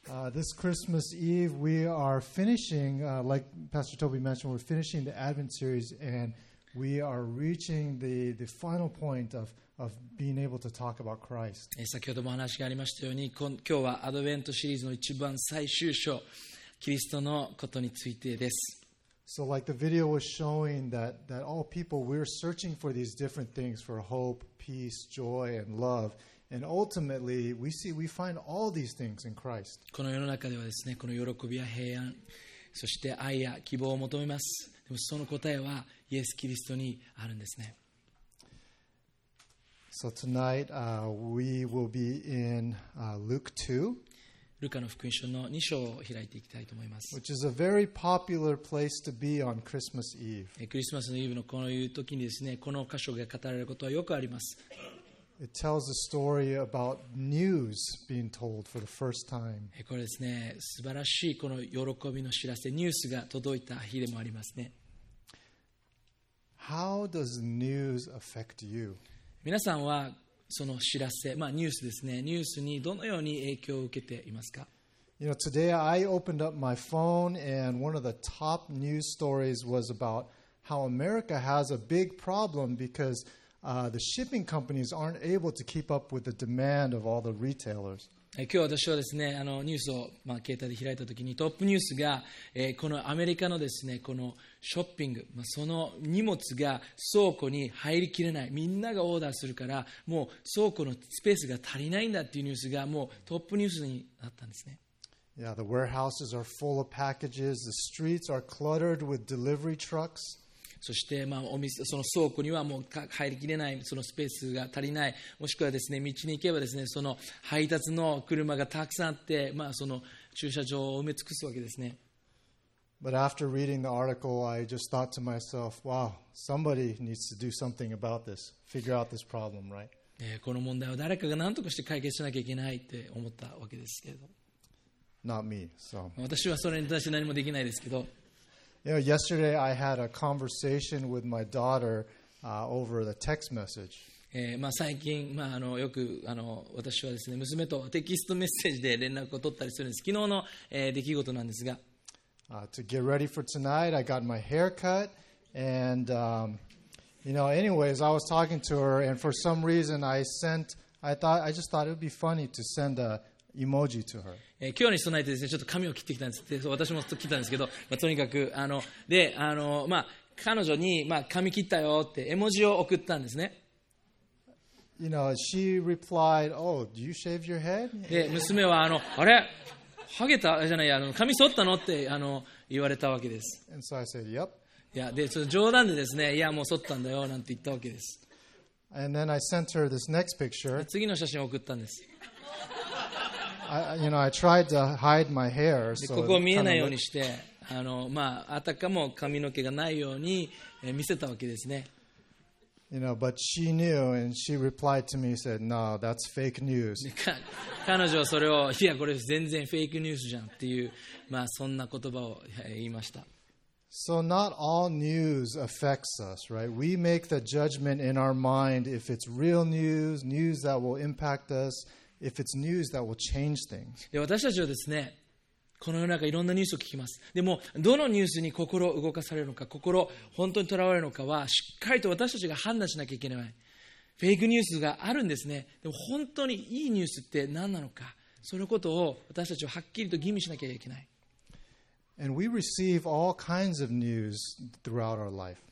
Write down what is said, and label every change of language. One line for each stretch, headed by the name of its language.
English: This Christmas Eve, we are finishing, like Pastor Toby mentioned, we're finishing the Advent series, and we are reaching the final point of being able to talk about Christ.
Japanese: 先ほども話がありましたように、今日はアドベントシリーズの一番最終章、キリストのことについてです。
English: So like the video was showing that all people, we're searching for these different things, for hope, peace, joy, and love. And ultimately, we find all these things in Christ.
Japanese: この世の中ではですね、この喜びや平安、そして愛や希望を求めます。でもその答えはイエス・キリストにあるんですね。
English: So tonight, we will be in Luke 2.
Japanese: ルカの福音書の2章を開いていきたいと思います。
English: Which is a very popular place to be on Christmas Eve.
Japanese: クリスマスのイブのこういう時にですね、この箇所が語られることはよくあります。
English: It tells a story about news being told for the first time.
Japanese: これですね、素晴らしいこの喜びの知らせ、ニュースが届いた日でもありますね。
English: How does news affect you?
Japanese: 皆さんはその知らせ、まあ、ニュースですね。ニュースにどのように影響を受けていますか？
English: You know, today I opened up my phone and one of the top news stories was about how America has a big problem because the shipping companies aren't able to keep up with the demand of all the retailers.
Japanese: 今日私はですね、ニュースを、まあ、携帯で開いたときにトップニュースが、このアメリカのですね、このショッピング、まあ、その荷物が倉庫に入りきれない、みんながオーダーするからもう倉庫のスペースが足りないんだっていうニュースがもうトップニュースになったんですね。
English: Yeah, the warehouses are full of packages. The streets are cluttered with delivery trucks.
Japanese: そしてまあお店、その倉庫にはもう入りきれない、そのスペースが足りない、もしくはですね、道に行けばですね、その配達の車がたくさんあって、まあ、その駐車場を埋め尽くすわけですね。
English: But after reading the article, I just thought to myself, wow, somebody needs to do something about this, figure out this problem, right?
Japanese: この問題を誰かが何とかして解決しなきゃいけないって思ったわけですけど。
English: Not me, so.
Japanese: 私はそれに対して何もできないですけど。
English: You know, yesterday I had a conversation with my daughter over the text message.
Japanese: まあ最近よく私はですね 娘とテキストメッセージで連絡を取ったりするんです。昨日の、出来事なんですが。
English: To get ready for tonight, I got my hair cut and you know, anyways, I was talking to her and for some reason I just thought it would be funny to send a emoji to her.
Japanese: 今日に備えてですね、ちょっと髪を切ってきたんです。で、私も切ったんですけど、まあ、とにかくまあ彼女にまあ髪切ったよって絵文字を送ったんですね。
English: You know, she replied, "Oh, do you shave your head?"
Japanese: で、娘はあれ、ハゲたじゃない、髪剃ったのって言われたわけです。
English: And so I said, "Yep."
Japanese: いや、で、その冗談でですね、いやもう剃ったんだよなんて言ったわけです。
English: And then I sent her this next picture.
Japanese: 次の写真を送ったんです。
English: You know, I tried to hide my hair.
Japanese: ここを見えないようにして、まあ、あたかも髪の毛がないように見せたわけですね。
English: You know, but she knew and she replied to me, said, "No, that's fake news."
Japanese: 彼女はそれを、いや、これ全然フェイクニュースじゃんっていう、まあ、そんな言葉を言いました。
English: So not all news affects us, right? We make the judgment in our mind if it's real news, news that will impact us, if it's news that will change things.
Japanese: 私たちはですね、この世の中いろんなニュースを聞きます。でも、どのニュースに心を動かされるのか、心本当にとらわれるのかは、しっかりと私たちが判断しなきゃいけない。フェイクニュースがあるんですね。でも本当にいいニュースって何なのか、そのことを私たちははっきりと吟味しなきゃいけない。
English: And we receive all kinds of news throughout our life.